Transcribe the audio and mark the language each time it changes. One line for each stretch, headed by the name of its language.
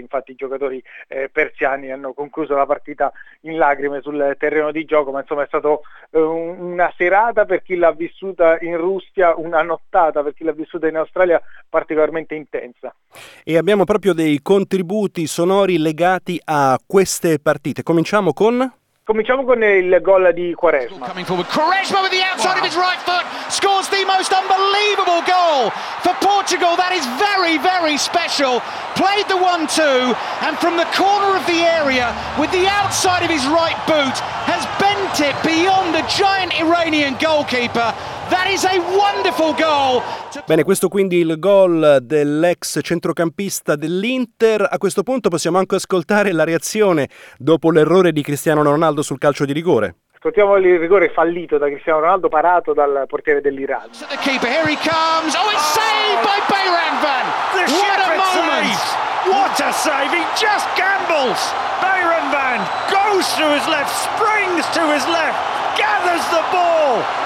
Italian: Infatti i giocatori persiani hanno concluso la partita in lacrime sul terreno di gioco, ma insomma è stata una serata per chi l'ha vissuta in Russia, una nottata per chi l'ha vissuta in Australia particolarmente intensa. E abbiamo proprio dei contributi sonori legati a queste partite. Cominciamo con il gol di Quaresma.
English: Coming forward, Quaresma with the outside of his right foot scores the most unbelievable goal for Portugal. That is very, very special. Played the 1-2 and from the corner of the area with the outside of his right boot has bent it beyond the giant Iranian goalkeeper. That is a wonderful goal.
Italian: Bene, questo quindi il gol dell'ex centrocampista dell'Inter. A questo punto possiamo anche ascoltare la reazione dopo l'errore di Cristiano Ronaldo sul calcio di rigore. Ascoltiamo il rigore fallito da Cristiano Ronaldo, parato dal portiere dell'Iran.
English: The keeper, here he comes. Oh, it's saved by Bayram Van. What a moment. What a save. He just gambles. Bayram Van goes to his left, springs to his left, gathers the ball.